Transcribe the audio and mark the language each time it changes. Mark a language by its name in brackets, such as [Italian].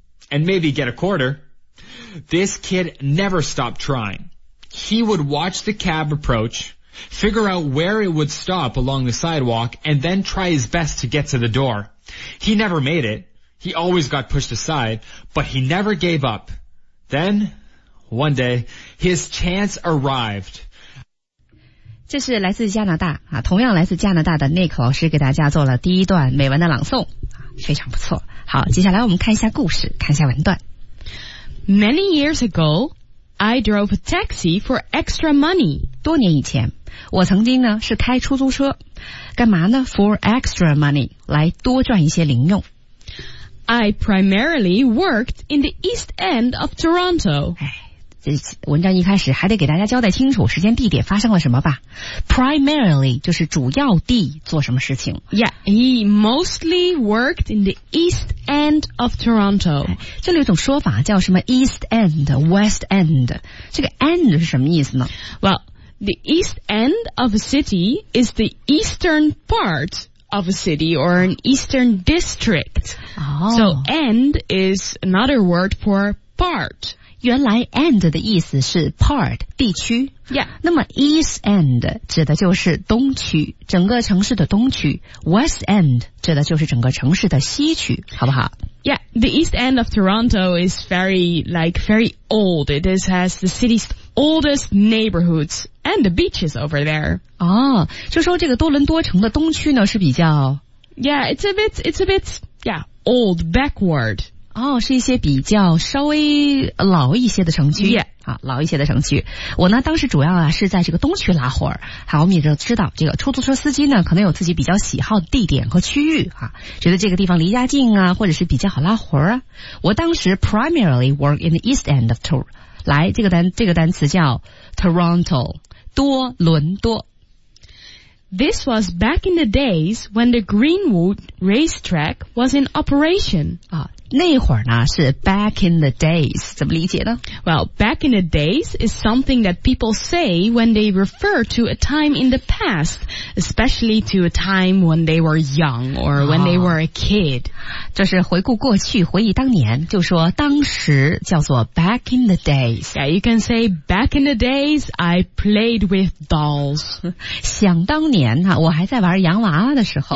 [English] And maybe get a quarter. This kid never stopped trying. He would watch the cab approach, figure out where it would stop along the sidewalk, and then try his best to get to the door. He never made it. He always got pushed aside, but he never gave up. Then, one day, his chance arrived. [Chinese] 这是来自加拿大啊，同样来自加拿大的 Nick 老师给大家做了第一段美文的朗诵，非常不错。好，接下来我们看一下故事，看一下文段。 [English] Many years ago,I drove a taxi for extra money. [Chinese] 多年以前，我曾经呢是开出租车，干嘛呢 ？ [English] For extra money, [Chinese] 来多赚一些零用。 [English] I primarily worked in the east end of Toronto. [Chinese] 哎，这文章一开始还得给大家交代清楚时间地点发生了什么吧 ？Primarily 就是主要地做什么事情 [English] ？Yeah, he mostly worked in the east. End of Toronto. [Chinese] 这里有种说法叫什么 East End, West End. 这个 End 是什么意思呢 [English] Well, the East End of a city is the eastern part of a city or an eastern district.、 Oh. So End is another word for part. [Chinese] 原来 End 的意思是 part, 地区。 [English] Yeah. [Chinese] 那么 East End 指的就是东区，整个城市的东区。 West End指的就是整个城市的西区，好不好 [English] ？Yeah, the East End of Toronto is very, like, very old. It is, has the city's oldest neighborhoods and the beaches over there. [Chinese] 哦，就说这个多伦多城的东区呢是比较 [English] ，Yeah, it's a bit, yeah, old, backward. [Chinese] 哦，是一些比较稍微老一些的城区。 [English] Yeah. [Chinese] 啊，老一些的城区，我呢当时主要啊是在这个东区拉活儿。好，我们也就知道这个出租车司机呢可能有自己比较喜好的地点和区域啊，觉得这个地方离家近啊，或者是比较好拉活儿啊。我当时 [English] primarily work in the east end of Toronto， [Chinese] 来这个单词叫 Toronto， 多伦多。 [English] This was back in the days when the Greenwood racetrack was in operation. [Chinese] 啊，那会儿呢是 [English] back in the days， [Chinese] 怎么理解呢？ [English] Well, back in the days is something that people say when they refer to a time in the past, especially to a time when they were young or when they were a kid. [Chinese] 这是回顾过去，回忆当年，就说当时叫做 [English] back in the days. Yeah, you can say back in the days I played with dolls. [Chinese] 想当年啊，我还在玩洋娃娃的时候。